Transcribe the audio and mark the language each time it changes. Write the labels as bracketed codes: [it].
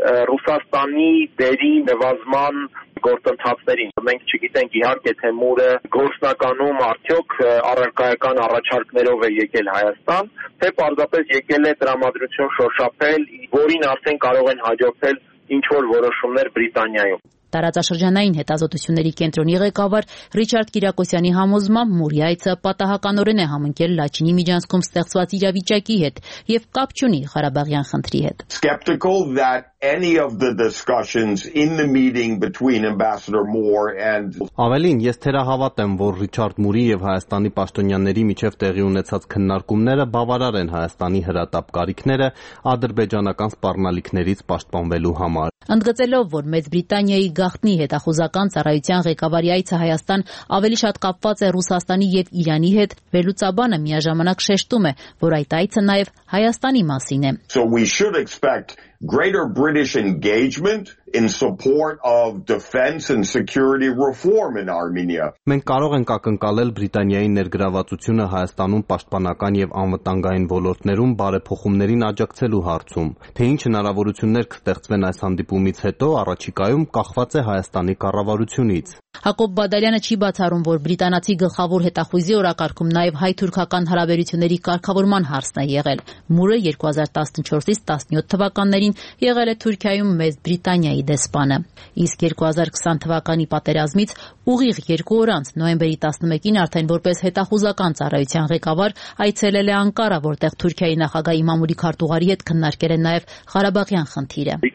[hy] Ռուսաստանի դերի նվազման գործընթացներին։ Մենք չգիտենք իհարկե, թե Մուրը գործնականում արդյոք առարկայական առաջարկներով է եկել Հայաստան, թե պարզապես եկել է տրամադրություն շոշափել, որին արդեն կարող են հաջորդել ինչ-որ որոշումներ Բրիտանիայում։ Տարածաշրջանային հետազոտությունների կենտրոնի ղեկավար Ռիչարդ Կիրակոսյանի համոզմամբ Մուրի այցը պատահականորեն է համընկել Լաչինի միջանցքում ստեղծված իրավիճակի հետ և կապ չունի Ղարաբաղյան խնդրի հետ։ [en] Skeptical that any of the discussions in the meeting between Ambassador Moore and [hy] Ավելին, ես թերահավատ եմ, որ Ռիչարդ Մուրի և Հայաստանի պաշտոնյաների միջև տեղի ունեցած քննարկումները բավարար են Հայաստանի հրատապ կարիքները ադրբեջանական սպառնալիքներից պաշտպանվելու համար։ Ընդգծելով, որ Մեծ Բրիտանիայի գաղտնի հետախուզական ծառայության ղեկավարի այցը Հայաստան ավելի շատ կապված է Ռուսաստանի և Իրանի հետ, վելուցաբանը միաժամանակ շեշտում է, որ այդ այցը նաև Հայաստանի մասին է։ [en] So we should expect greater British engagement in support of defense and security reform in Armenia. [hy] Մեն կարող ենք ակնկալել Բրիտանիայի ներգրավվածությունը Հայաստանում պաշտպանական եւ անվտանգային ոլորտներում բարեփոխումներին աջակցելու հարցում։ Թե ինչ հնարավորություններ կստեղծվեն այս հանդիպումից հետո, առաջիկայում կախված է Հայաստանի կառավարությունից։ Հակոբ Բադալյանը չի բացառում, որ բրիտանացի գլխավոր հետախույզի օրակարգում նաև հայ-թուրքական հարաբերությունների կարգավորման հարցն է եղել։ Մուրը 2014-ից 17 թվականներին եղել է Թուրքիայում մեծ Բրիտանիայի դեսպանը։ Իսկ 2020 թվականի պատերազմից ուղիղ 2 օր անց, նոյեմբերի 11-ին արդեն որպես հետախուզական ծառայության ղեկավար այցելել է Անկարա, որտեղ Թուրքիայի նախագահի մամուլի քարտուղարի հետ քննարկել է նաև Ղարաբաղյան խնդիրը։